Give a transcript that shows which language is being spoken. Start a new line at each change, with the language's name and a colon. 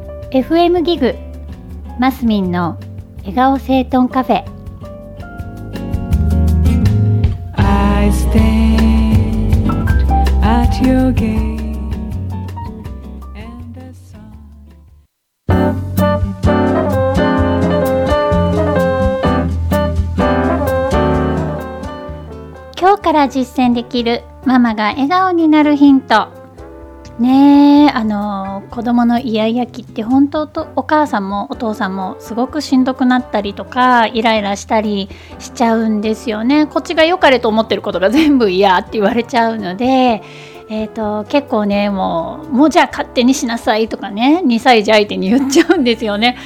Japanese: FM ギグ、マスミンの笑顔整頓カフェ。
English: I stand at your gate and a song.
Japanese: 今日から実践できるママが笑顔になるヒントね。子供のイヤイヤ期って本当とお母さんもお父さんもすごくしんどくなったりとか、イライラしたりしちゃうんですよね。こっちが良かれと思ってることが全部嫌って言われちゃうので、結構ね、もうじゃあ勝手にしなさいとかね、2歳児相手に言っちゃうんですよね。